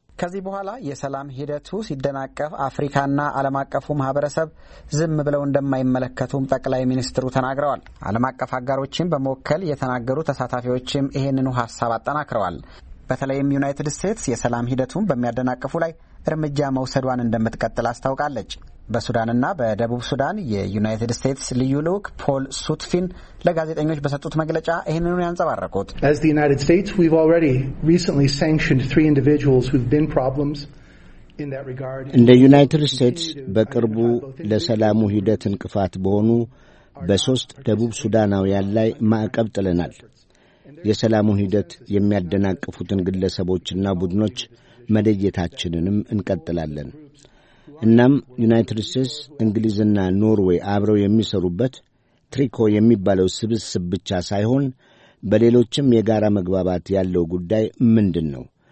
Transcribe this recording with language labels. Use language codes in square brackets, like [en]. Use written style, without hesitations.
[am] ከዚህ በኋላ የሰላም ሂደቱ ሲደናቀፍ አፍሪካና ዓለም አቀፉ ማህበረሰብ ዝም ብለው እንደማይመለከቱም ጠቅላይ ሚኒስትሩ ተናግረዋል። ዓለም አቀፍ አጋሮችን በመወከል የተናገሩ ተሳታፊዎችም ይሄንኑ ሐሳብ አጠናክረዋል። በተለይም ዩናይትድ ስቴትስ የሰላም ሂደቱን በሚያደናቅፉ ላይ እርምጃ መውሰዷን እንደምትቀጥል አስታውቃለች። በሱዳንና በደቡብ ሱዳን የዩናይትድ ስቴትስ ልዩ ልዑክ ፖል ሱትፊን ለጋዜጠኞች በሰጡት መግለጫ ይህንኑ ያንጸባረቁት [en] As the United States, we've already recently sanctioned 3 individuals who've been problems in that regard. [am] እንደ ዩናይትድ ስቴትስ በቅርቡ ለሰላሙ ሂደት እንቅፋት በሆኑ በሶስት ደቡብ ሱዳናውያን ላይ ማዕቀብ ጥለናል። የሰላሙን ሂደት የሚያደናቅፉትን ግለሰቦችና ቡድኖች መደየታችንንም እንቀጥላለን። እናም ዩናይትድ ስቴትስ፣ እንግሊዝና ኖርዌይ አብረው የሚሰሩበት ትሪኮ የሚባለው ስብስብ ብቻ ሳይሆን በሌሎችም የጋራ መግባባት ያለው ጉዳይ ምንድን ነው?